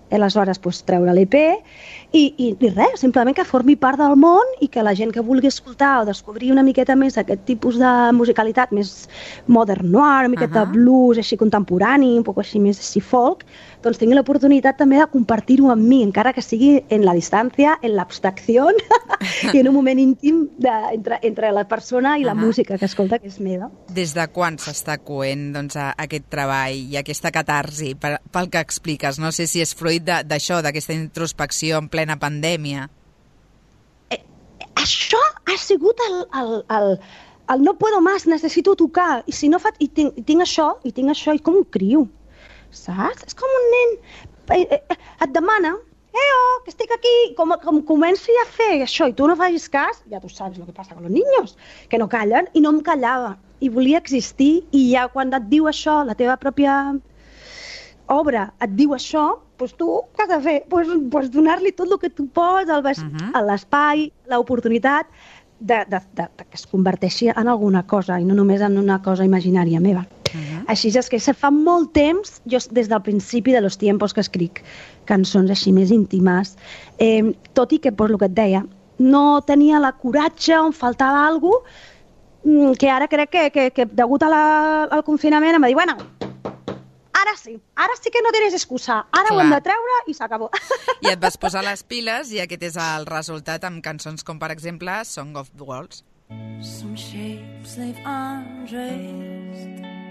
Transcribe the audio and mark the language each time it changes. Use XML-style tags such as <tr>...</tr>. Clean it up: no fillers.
<ca>I aleshores pues, treure l'EP i res, simplement que formi part del món i que la gent que vulgui escoltar o descobrir una miqueta més aquest tipus de musicalitat més modern noir, una miqueta blues, així contemporani, un poc així més així folk, doncs tingui l'oportunitat també de compartir-ho amb mi, encara que sigui en la distància, en l'abstracció i en un moment íntim entre la persona i la música que escolta, que és meva. Des de quan s'està coent doncs, aquest treball i aquesta catarsi, pel que expliques? No sé si és fruit d'això, d'aquesta introspecció en plena pandèmia. Això ha sigut el</ca> <es>no puedo más,</es> <ca>necessito tocar. I si no fa, i tinc això, i com ho crio? Saps? És com un nen, et demana, que estic aquí, com comenci a fer això, i tu no facis cas, ja tu saps el que passa amb els niños, que no callen, i no em callava, i volia existir, i ja quan et diu això, la teva pròpia obra et diu això, doncs tu, què has de fer? Doncs donar-li tot el que tu pots, a l'espai, l'oportunitat de que es converteixi en alguna cosa, i no només en una cosa imaginària meva. Així és que fa molt temps, jo des del principi</ca> <es>de los tiempos</es> <ca>que escric cançons així més íntimes, tot i que, pues, lo que et deia, no tenia la coratge o em faltava alguna cosa, que ara crec que degut al confinament em va dir, bueno, ara sí que no tens excusa, ara Clar. Ho hem de treure i s'acabó. I et vas posar les piles i aquest és el resultat amb cançons com, per exemple, Song of the Walls.</ca> <en>Some shapes live undressed.</en>